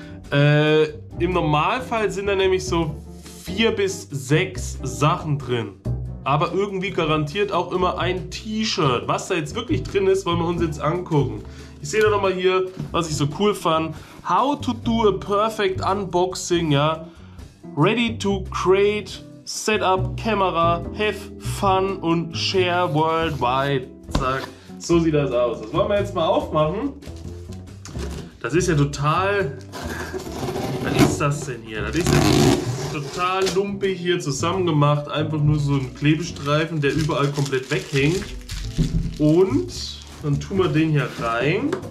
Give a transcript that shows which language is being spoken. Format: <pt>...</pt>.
<de>Im Normalfall sind da nämlich so 4 bis 6 Sachen drin. Aber irgendwie garantiert auch immer ein T-Shirt. Was da jetzt wirklich drin ist, wollen wir uns jetzt angucken. Ich sehe da nochmal hier, was ich so cool fand.</de> <en>How to do a perfect unboxing, ja. Ready to create, setup, camera, have fun und share worldwide.</en> <de>Zack, so sieht das aus. Das wollen wir jetzt mal aufmachen. Das ist ja total... Was ist das denn hier? Das ist ja total lumpig hier zusammengemacht. Einfach nur so ein Klebestreifen, der überall komplett weghängt. Und dann tun wir den hier rein.</de>